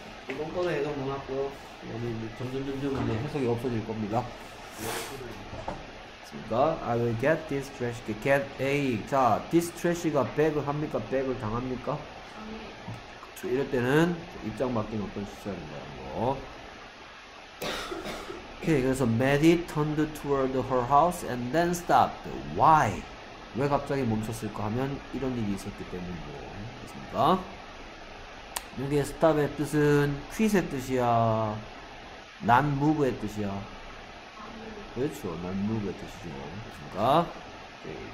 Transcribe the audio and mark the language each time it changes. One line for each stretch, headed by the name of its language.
Korean: 이번 거는 해석 넣어놨고요. 여기 이제 점점점점 이제 해석이 없어질 겁니다. 그러니까
English: I will get this trash. Get a. 자, this trash가
Korean: bag을 합니까? bag을 당합니까? 그쵸, 이럴 때는 입장 바뀐 어떤 시절인가요? 뭐.
English: 오케이,
Korean: 그래서
English: Maddie turned toward her house and then stopped. Why?
Korean: 왜 갑자기 멈췄을까 하면 이런 일이 있었기 때문이고 그렇습니까? 여기에 stop의 뜻은 quit의 뜻이야 non move의 뜻이야 그렇죠 non move의 뜻이죠 그렇습니까? 오케이.